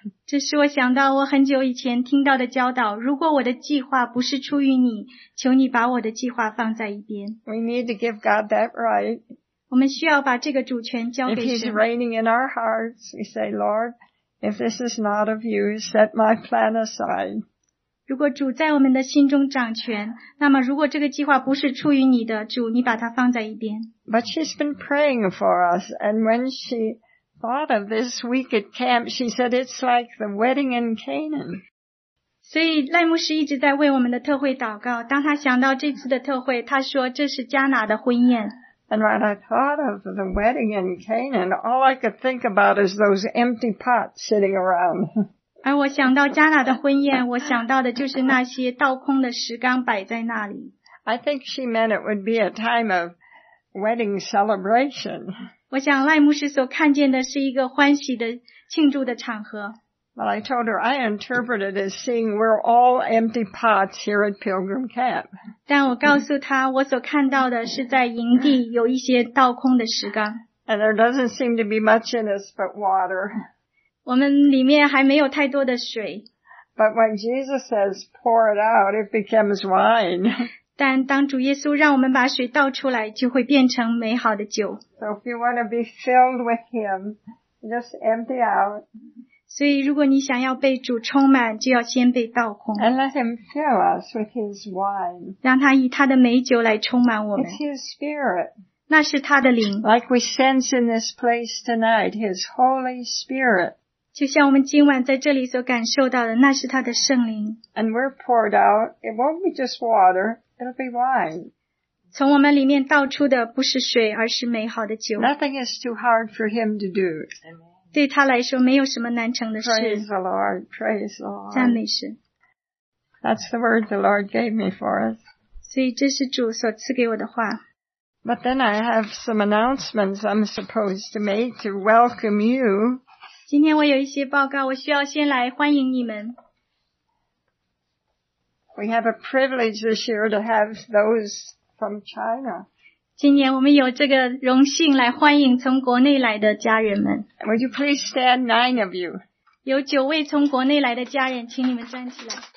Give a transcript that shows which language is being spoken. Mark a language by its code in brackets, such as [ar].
[zh] 这是我想到我很久以前听到的教导，如果我的计划不是出于你，求你把我的计划放在一边。 [en] We need to give God that right. [zh] 我们需要把这个主权交给神。 [en] If he's reigning in our hearts, we say, Lord, if this is not of you, set my plan aside. [zh] 如果主在我们的心中掌权，那么如果这个计划不是出于你的，主，你把它放在一边。 [en] But she's been praying for us, and when she thought of this week at camp, she said, it's like the wedding in Canaan. [zh] 所以赖牧师一直在为我们的特会祷告。当他想到这次的特会，他说这是迦拿的婚宴。 [en] And when I thought of the wedding in Canaan, all I could think about is those empty pots sitting around. [zh] 而我想到迦拿的婚宴，我想到的就是那些倒空的石缸摆在那里。 [en] I think she meant it would be a time of wedding celebration. [zh] 我想赖牧师所看见的是一个欢喜的庆祝的场合。 [en] But I told her I interpreted as seeing we're all empty pots here at Pilgrim Camp. [zh] 但我告诉她，我所看到的是在营地有一些倒空的石缸。 [en] And there doesn't seem to be much in us but water. [zh] 我们里面还没有太多的水。 [en] But when Jesus says pour it out, it becomes wine. [zh] 但当主耶稣让我们把水倒出来，就会变成美好的酒。 [en] So if you want to be filled with Him, just empty out. [zh] 所以如果你想要被主充满，就要先被倒空。 [en] And let him fill us with his wine. [zh] 让他以他的美酒来充满我们。 [en] It's his spirit. [zh] 那是他的灵。 [en] Like we sense in this place tonight, his Holy Spirit. [zh] 就像我们今晚在这里所感受到的，那是他的圣灵。 [en] And we're poured out. It won't be just water. It'll be wine. [zh] 从我们里面倒出的不是水，而是美好的酒。 [en] Nothing is too hard for him to do. Amen. [zh] 对他来说没有什么难成的事。 [en] Praise the Lord, praise the Lord. [zh] 赞美神。 [en] That's the word the Lord gave me for us. [zh] 所以这是主所赐给我的话。 [en] But then I have some announcements I'm supposed to make to welcome you. [zh] 今天我有一些报告，我需要先来欢迎你们。 [en] We have a privilege this year to have those from China. [zh] 今年我们有这个荣幸来欢迎从国内来的家人们。 [en] Would you please stand, nine of you? [zh] 有九位从国内来的家人，请你们站起来。